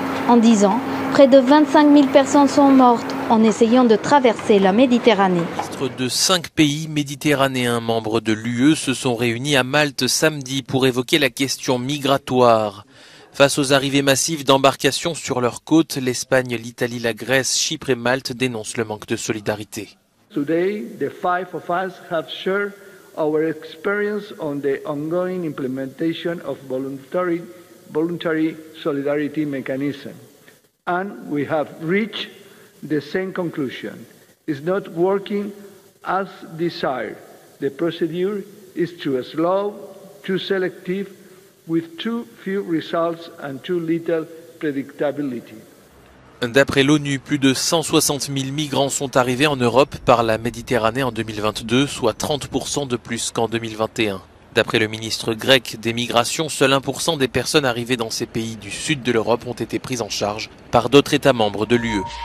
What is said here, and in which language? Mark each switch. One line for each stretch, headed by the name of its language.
French: En 10 ans, près de 25 000 personnes sont mortes en essayant de traverser la Méditerranée. De 5 pays méditerranéens membres de l'UE se sont réunis à Malte samedi pour évoquer la question migratoire. Face aux arrivées massives d'embarcations sur leurs côtes, l'Espagne, l'Italie, la Grèce, Chypre et Malte dénoncent le manque de solidarité.
English: Today, the five of us have shared our experience on the ongoing implementation of voluntary solidarity mechanism, and we have reached the same conclusion. It's not working as desired. The procedure is too slow, too selective, with too few results and too little predictability.
French: D'après l'ONU, plus de 160 000 migrants sont arrivés en Europe par la Méditerranée en 2022, soit 30% de plus qu'en 2021. D'après le ministre grec des Migrations, seul 1% des personnes arrivées dans ces pays du sud de l'Europe ont été prises en charge par d'autres États membres de l'UE.